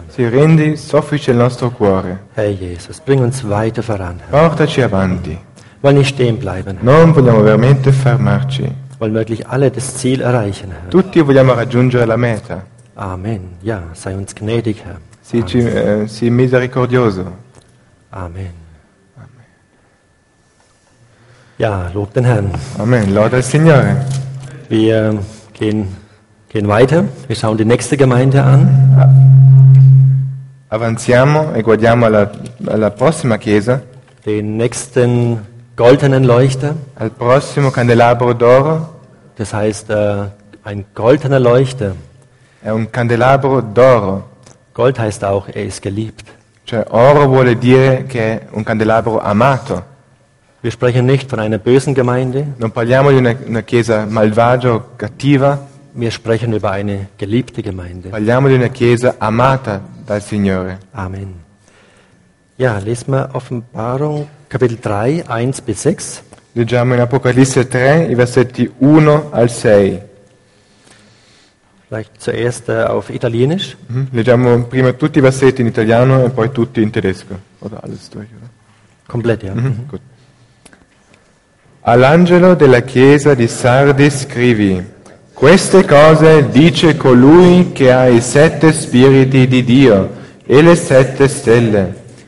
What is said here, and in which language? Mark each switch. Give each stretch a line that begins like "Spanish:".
Italian: Si rendi soffice il nostro cuore.
German: Herr Jesus, bring uns weiter voran, Herr.
Italian: Portaci avanti.
German: Wollen nicht stehen bleiben, Herr.
Italian: Non vogliamo veramente fermarci.
German: Wollen wirklich alle das Ziel erreichen, Herr.
Italian: Tutti vogliamo raggiungere la meta.
German: Amen. Ja, sei uns gnädig, Herr.
Italian: Sii misericordioso. Amen. Amen.
German: Ja, lob den Herrn.
Italian: Amen. Lode il Signore.
German: Wir gehen weiter. Wir schauen die nächste Gemeinde an.
Italian: Avanziamo e guardiamo alla prossima chiesa.
German: Den nächsten goldenen Leuchter.
Italian: Al prossimo candelabro d'oro.
German: Das heißt, ein goldener Leuchter.
Italian: È un candelabro d'oro.
German: Gold heißt auch, er ist geliebt.
Italian: Cioè, oro vuol dire che è un candelabro amato.
German: Wir sprechen nicht von einer bösen Gemeinde.
Italian: Non parliamo di una chiesa malvagia o cattiva.
German: Wir sprechen über eine geliebte Gemeinde.
Italian: Parliamo di una chiesa amata dal Signore. Amen.
German: Ja, lesen wir Offenbarung Kapitel 3, 1 bis 6.
Italian: Leggiamo in Apocalisse 3, i versetti 1 al 6.
German: Vielleicht zuerst auf Italienisch.
Italian: Leggiamo prima tutti i versetti in italiano e poi tutti in tedesco.
German: Oder alles durch, oder? Komplett, ja. Gut.
Italian: All'angelo della chiesa di Sardis scrivi: queste cose dice colui che ha i sette spiriti di Dio e le sette stelle.